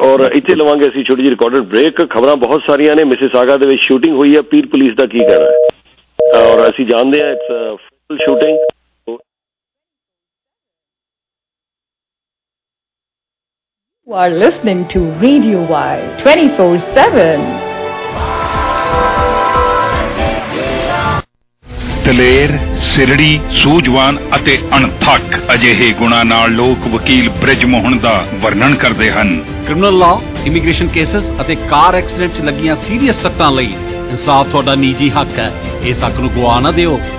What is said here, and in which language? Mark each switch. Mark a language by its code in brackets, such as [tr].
[pa] ਔਰ ਇੱਥੇ ਲਵਾਂਗੇ ਅਸੀਂ ਛੋਟੀ ਜਿਹੀ ਰਿਕਾਰਡਡ ਬ੍ਰੇਕ, ਖਬਰਾਂ ਬਹੁਤ ਸਾਰੀਆਂ ਨੇ। ਮਿਸਿਸਾਗਾ ਦੇ ਵਿੱਚ ਸ਼ੂਟਿੰਗ ਹੋਈ ਹੈ, ਪੀਰ ਪੁਲਿਸ ਦਾ ਕੀ ਕਹਿਣਾ, ਔਰ ਅਸੀਂ ਜਾਣਦੇ ਹਾਂ [en] It's shooting. You are listening to Radio Y 24/7. [pa] ਦਲੇਰ, ਸਿਰੜੀ, ਸੂਝਵਾਨ ਅਤੇ ਅਣਥੱਕ, ਅਜਿਹੇ ਗੁਣਾਂ ਨਾਲ ਲੋਕ ਵਕੀਲ ਬ੍ਰਿਜ ਮੋਹਨ ਦਾ ਵਰਣਨ ਕਰਦੇ ਹਨ। ਕ੍ਰਿਮੀਨਲ ਲਾਅ, ਇਮੀਗ੍ਰੇਸ਼ਨ ਕੇਸਸ ਅਤੇ ਕਾਰ ਐਕਸੀਡੈਂਟ 'ਚ ਲੱਗੀਆਂ ਸੀਰੀਅਸ ਸੱਟਾਂ ਲਈ ਇਨਸਾਫ ਤੁਹਾਡਾ ਨਿੱਜੀ ਹੱਕ ਹੈ, ਇਸ ਹੱਕ ਨੂੰ ਗਵਾ ਨਾ ਦਿਓ।